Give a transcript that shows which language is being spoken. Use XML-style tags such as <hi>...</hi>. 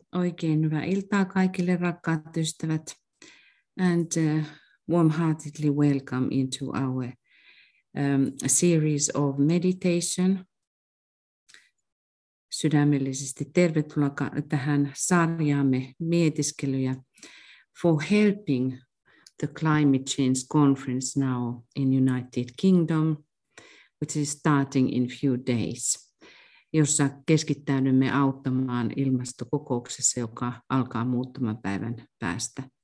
<fi>Oikein hyvää iltaa kaikille rakkaat ystävät.</fi> <en>And warm-heartedly welcome into our series of meditation.</en> <fi>Sydämellisesti tervetuloa tähän sarjaamme mietiskelyjä</fi> <en>for helping the climate change conference now in United Kingdom, which is starting in few days,</en> <fi>jossa keskittäydymme auttamaan ilmastokokouksessa, joka alkaa muutaman päivän päästä.</fi>